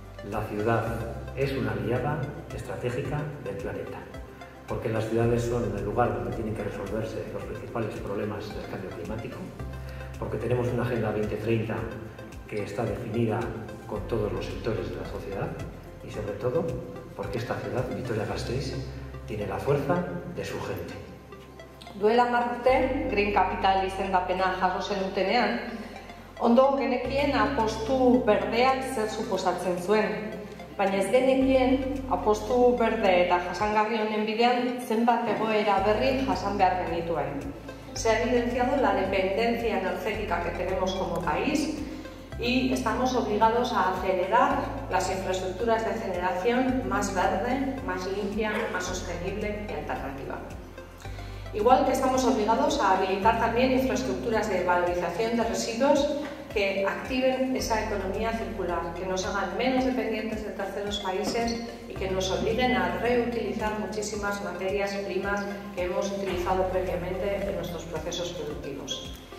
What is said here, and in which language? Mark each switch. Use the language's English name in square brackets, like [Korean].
[Spanish] La ciudad es una aliada estratégica del planeta, porque las ciudades son el lugar donde tienen que resolverse los principales problemas del cambio climático, porque tenemos una Agenda 2030 que está definida con todos los sectores de la sociedad y, sobre todo, porque esta ciudad, Vitoria-Gasteiz, tiene la fuerza de su gente. [Basque] Duela marte, Green Capital izendapena jaso zenutenean, ondo genekien apostu berdeak zer suposatzen zuen, baina ez genekien apostu berde eta jasangarri honen bidean zenbat egoera berri jasan behar genituen. [Spanish] Se ha evidenciado la dependencia energética que tenemos como país y estamos obligados a acelerar las infraestructuras de generación más verde, más limpia, más sostenible y alternativa. Igual que estamos obligados a habilitar también infraestructuras de valorización de residuos que activen esa economía circular, que nos hagan menos dependientes de terceros países y que nos obliguen a reutilizar muchísimas materias primas que hemos utilizado previamente en nuestros procesos productivos.